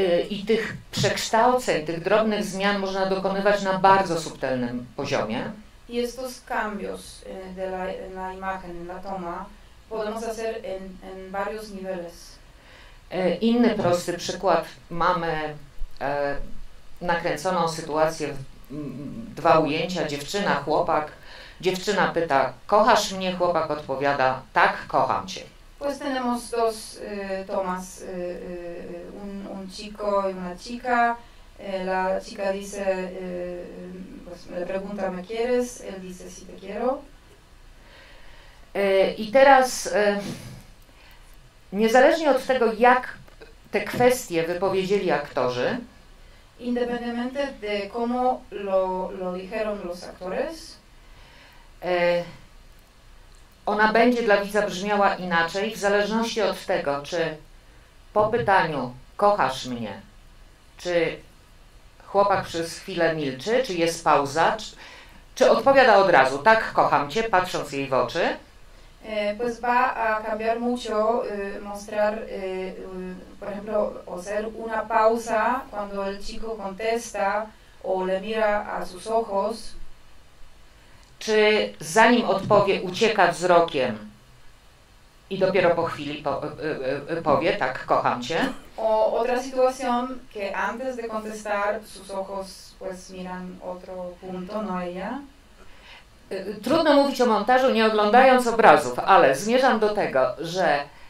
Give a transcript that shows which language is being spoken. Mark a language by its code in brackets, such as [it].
[pl] I tych przekształceń, tych drobnych zmian można dokonywać na bardzo subtelnym poziomie. [es] Y estos cambios de la imagen, en la toma, podemos hacer en varios niveles. [pl] Inny prosty przykład. Mamy nakręconą sytuację, dwa ujęcia, dziewczyna, chłopak. Dziewczyna pyta, kochasz mnie? Chłopak odpowiada, tak, kocham cię. [es] Pues tenemos dos tomas, un chico y una chica. La chica dice, pues, le pregunta, ¿me quieres? Él dice, sí, te quiero. [pl] I teraz, niezależnie od tego, jak te kwestie wypowiedzieli aktorzy, [es] independientemente de cómo lo dijeron los actores, [pl] ona będzie dla widza brzmiała inaczej, w zależności od tego, czy po pytaniu kochasz mnie, czy chłopak przez chwilę milczy, czy jest pauza, czy odpowiada od razu, tak, kocham cię, patrząc jej w oczy. [es] Pues va a cambiar mucho mostrar, por ejemplo, o ser una pausa cuando el chico contesta o le mira a sus ojos. [pl] Czy zanim odpowie, ucieka wzrokiem i dopiero po chwili powie, tak, kocham cię? [es] O otra situación que antes de contestar sus ojos pues miran otro punto, no ella. [pl] Trudno mówić o montażu, nie oglądając obrazów, ale zmierzam do tego, że